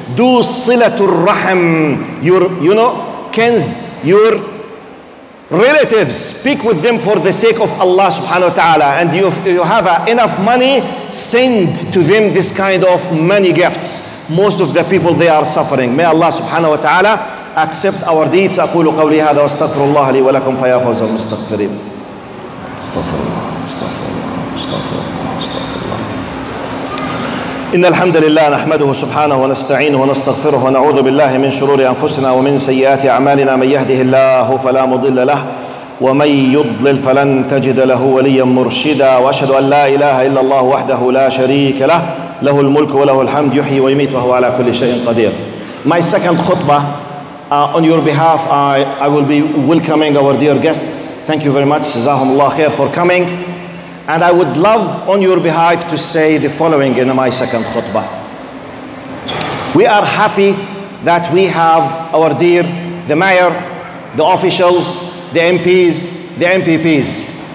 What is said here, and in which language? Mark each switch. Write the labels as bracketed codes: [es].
[en] Do silatul rahim, your, you know, kins, your relatives. Speak with them for the sake of Allah subhanahu wa ta'ala. And if you have enough money, send to them this kind of money gifts. Most of the people, they are suffering. May Allah subhanahu wa ta'ala accept our deeds. [ar] أقول قولي هذا واستغفر الله لي ولكم فيا فوز المستغفرين. استغفر الله استغفر الله استغفر الله استغفر الله. إن الحمد لله نحمده سبحانه ونستعينه ونستغفره ونعوذ بالله من شرور أنفسنا ومن سيئات أعمالنا. من يهده الله فلا مضل له ومن يضلل فلن تجد له وليا مرشدا. وأشهد أن لا إله إلا الله وحده لا شريك له, له الملك وله الحمد يحيي ويميت وهو على كل شيء قدير. [en] My second khutbah, on your behalf, I will be welcoming our dear guests. Thank you very much, [ar] Jazakum Allah khair, [en] for coming. And I would love on your behalf to say the following in my second khutbah. We are happy that we have our dear, the mayor, the officials, the MPs, the MPPs.